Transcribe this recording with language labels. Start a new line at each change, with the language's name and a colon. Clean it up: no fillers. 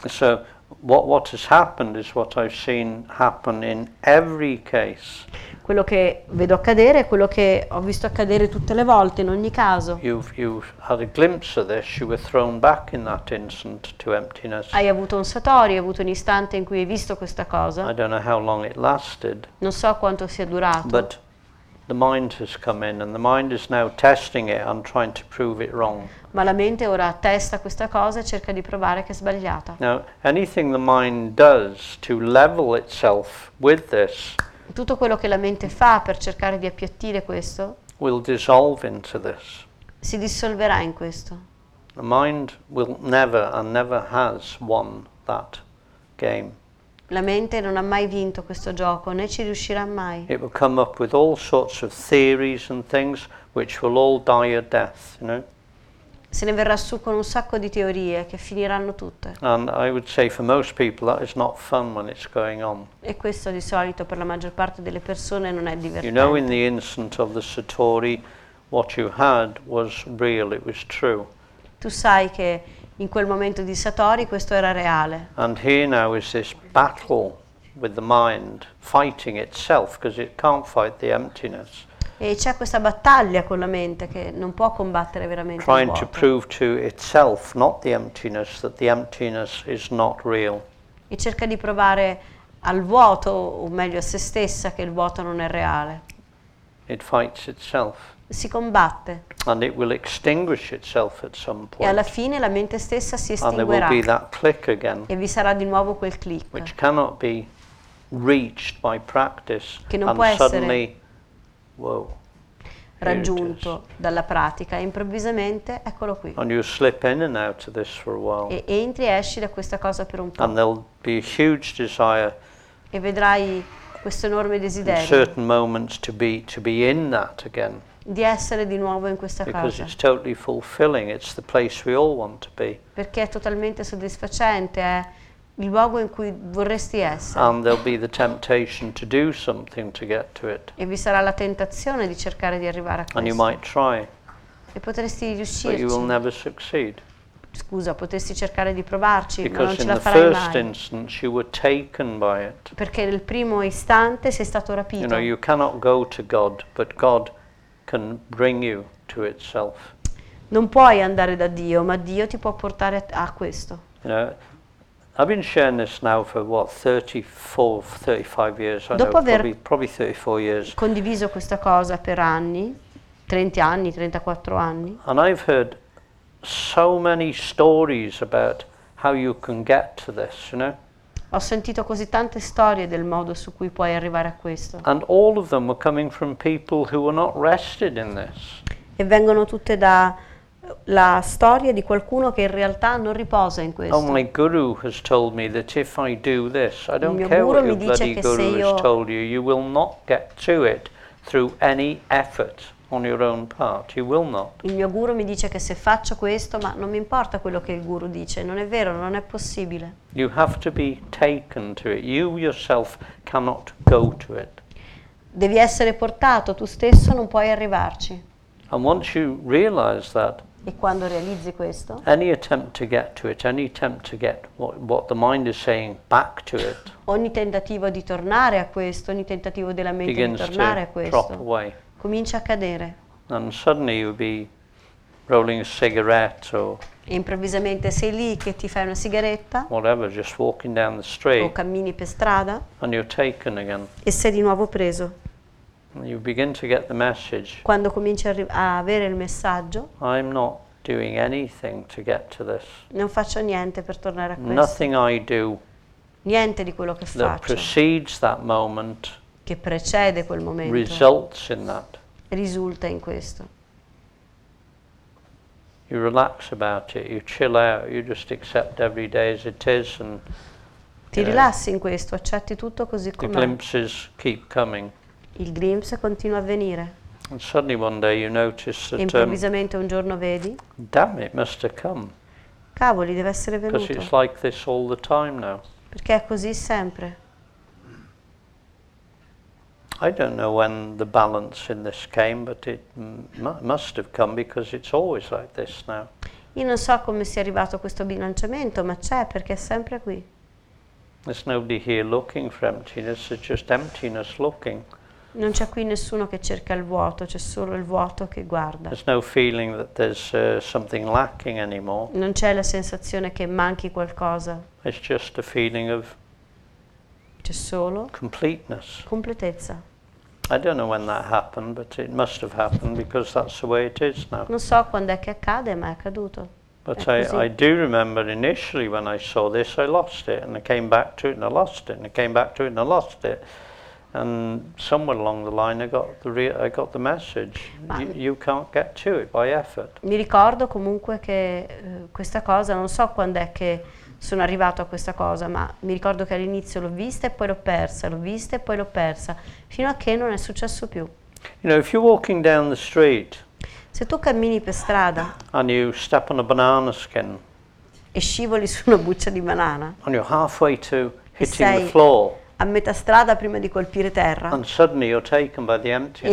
English: So, What has happened is what I've seen happen in every case.
Italian: Quello che vedo accadere è quello che ho visto accadere tutte le volte, in ogni caso.
English: You've had a glimpse of this, you were thrown back in that instant to emptiness.
Italian: Hai avuto un satori, hai avuto un istante in cui hai visto questa cosa.
English: I don't know how long it lasted.
Italian: Non so quanto sia durato.
English: But the mind has come in and the mind is now testing it and trying to prove it wrong.
Italian: Ma la mente ora testa questa cosa e cerca di provare che è sbagliata.
English: Now, anything the mind does to level itself with this,
Italian: tutto quello che la mente fa per cercare di appiattire questo,
English: will dissolve into this.
Italian: Si dissolverà in questo.
English: The mind will never and never has won that game.
Italian: La mente non ha mai vinto questo gioco, né ci riuscirà mai.
English: It will come up with all sorts of theories and things which will all die a death, you know.
Italian: Se ne verrà su con un sacco di teorie che finiranno tutte.
English: And I would say for most people that is not fun when it's going on.
Italian: E questo di solito per la maggior parte delle persone non è divertente.
English: You know, in the instant of the satori, what you had was real, it was true.
Italian: tu sai che in quel momento di Satori questo era reale.
English: And here now is this battle with the mind fighting itself because it can't fight the emptiness.
Italian: E c'è questa battaglia con la mente che non può combattere veramente il vuoto.
English: Trying to prove to itself, not the emptiness, that the emptiness is not real.
Italian: E cerca di provare al vuoto, o meglio a se stessa, che il vuoto non è reale.
English: It fights itself.
Italian: Si combatte.
English: And it will extinguish itself at some point.
Italian: E alla fine la mente stessa si estinguerà.
English: And there will be that click again.
Italian: E vi sarà di nuovo quel click.
English: Which cannot be reached by practice.
Italian: Che non
English: and
Italian: può
English: suddenly,
Italian: essere whoa, raggiunto dalla pratica. E improvvisamente eccolo qui.
English: And you slip in and out of this for a while.
Italian: E entri e esci da questa cosa per un po'.
English: And there'll be a huge desire.
Italian: E vedrai questo enorme desiderio.
English: In certain moments to be in that again.
Italian: Di essere di nuovo in questa
English: because
Italian: casa.
English: It's totally fulfilling. It's the place we all want to be.
Italian: Perché è totalmente soddisfacente, è il luogo in cui vorresti essere.
English: And there'll be the temptation to do something to get to it.
Italian: E vi sarà la tentazione di cercare di arrivare a questo.
English: And you might try.
Italian: E potresti riuscirci.
English: But you will never succeed.
Italian: Scusa, potresti cercare di provarci,
English: because
Italian: ma non ce la farai
English: first
Italian: mai.
English: Instance you were taken by it.
Italian: Perché nel primo istante sei stato rapito.
English: You know, you cannot go to God, but God can bring you to itself.
Italian: Non puoi andare da Dio, ma Dio ti può portare a questo.
English: You know, I've been sharing this now for what 34, 35 years.
Italian: Dopo
English: I know,
Italian: aver
English: probably 34 years.
Italian: Condiviso questa cosa per anni, 30 anni, 34 anni.
English: And I've heard so many stories about how you can get to this, you know.
Italian: Ho sentito così tante storie del modo su cui puoi arrivare a questo.
English: And all of them were coming from people who were not rested in this.
Italian: E vengono tutte da la storia di qualcuno che in realtà non riposa in questo.
English: Oh, my guru has told me that if I do this, I don't care what your bloody guru has told you, you will not get to it through any effort on your own part. You will not.
Italian: Il mio guru mi dice che se faccio questo, ma non mi importa quello che il guru dice, non è vero, non è possibile.
English: You have to be taken to it. You yourself cannot go to it.
Italian: Devi essere portato, tu stesso non puoi arrivarci.
English: And once you realize that,
Italian: e quando realizzi questo,
English: any attempt to get to it, any attempt to get what the mind is saying back to it,
Italian: ogni tentativo di tornare a questo, ogni tentativo della mente di tornare a questo,
English: drop away.
Italian: Comincia a cadere.
English: And suddenly you'll be rolling a cigarette or
Italian: e improvvisamente sei lì che ti fai una sigaretta.
English: Whatever, just walking down the street.
Italian: O cammini per strada.
English: And you're taken again.
Italian: E sei di nuovo preso.
English: You begin to get the message.
Italian: Quando cominci a avere il messaggio.
English: I'm not doing anything to get to this.
Italian: Non faccio niente per tornare a questo.
English: Nothing I do.
Italian: Niente di quello che
English: that
Italian: faccio.
English: That precedes that moment.
Italian: Che precede quel momento.
English: Results in that.
Italian: Risulta in questo.
English: You relax about it, you chill out, you just accept every day as it is and
Italian: ti rilassi in questo, accetti tutto così com'è.
English: The glimpses keep coming.
Italian: Il glimpse continua a venire.
English: And suddenly one day you notice that
Italian: improvvisamente un giorno vedi.
English: Damn it, must have come.
Italian: Cavoli, deve essere venuto.
English: Because it's like this all the time now.
Italian: Perché è così sempre.
English: I don't know when the balance in this came, but it must have come because it's always like this now.
Italian: Io non so come sia arrivato questo bilanciamento, ma c'è perché è sempre qui.
English: There's nobody here looking for emptiness, it's just emptiness looking.
Italian: Non c'è qui nessuno che cerca il vuoto, c'è solo il vuoto che guarda.
English: There's no feeling that there's something lacking anymore.
Italian: Non c'è la sensazione che manchi qualcosa.
English: It's just a feeling of
Italian: solo
English: completeness.
Italian: Completezza.
English: I don't know when that happened, but it must have happened because that's the way it is now.
Italian: Non so quando è che accade, ma è accaduto.
English: But
Italian: è
English: I do remember initially when I saw this, I lost it, and I came back to it, and I lost it, and I came back to it, and I lost it, and somewhere along the line I got the message. You can't get to it by effort.
Italian: Mi ricordo comunque che questa cosa, non so quando è che sono arrivato a questa cosa, ma mi ricordo che all'inizio l'ho vista e poi l'ho persa, l'ho vista e poi l'ho persa, fino a che non è successo più.
English: You know, if you're walking down the street,
Italian: se tu cammini per strada,
English: and you step on a banana skin,
Italian: e scivoli su una buccia di banana,
English: and you're halfway to hitting the floor,
Italian: a metà strada prima di colpire terra.
English: And suddenly you're taken by the emptiness.